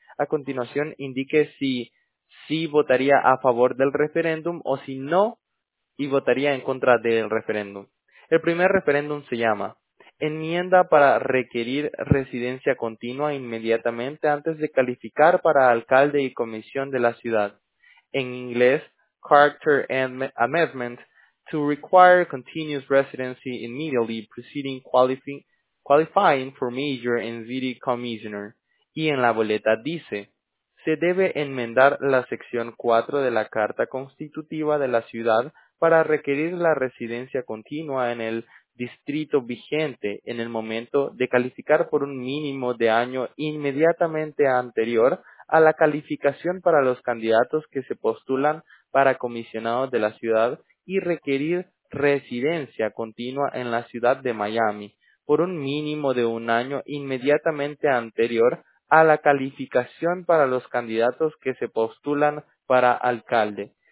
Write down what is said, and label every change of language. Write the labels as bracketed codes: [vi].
[es] A continuación, indique si sí votaría a favor del referéndum o si no y votaría en contra del referéndum. El primer referéndum se llama enmienda para requerir residencia continua inmediatamente antes de calificar para alcalde y comisión de la ciudad. En inglés, [en] Character Amendment to require continuous residency immediately preceding qualifying for mayor and city commissioner. [es] Y en la boleta dice, se debe enmendar la sección 4 de la Carta Constitutiva de la ciudad para requerir la residencia continua en el distrito vigente en el momento de calificar por un mínimo de año inmediatamente anterior a la calificación para los candidatos que se postulan para comisionados de la ciudad y requerir residencia continua en la ciudad de Miami por un mínimo de un año inmediatamente anterior a la calificación para los candidatos que se postulan para alcalde.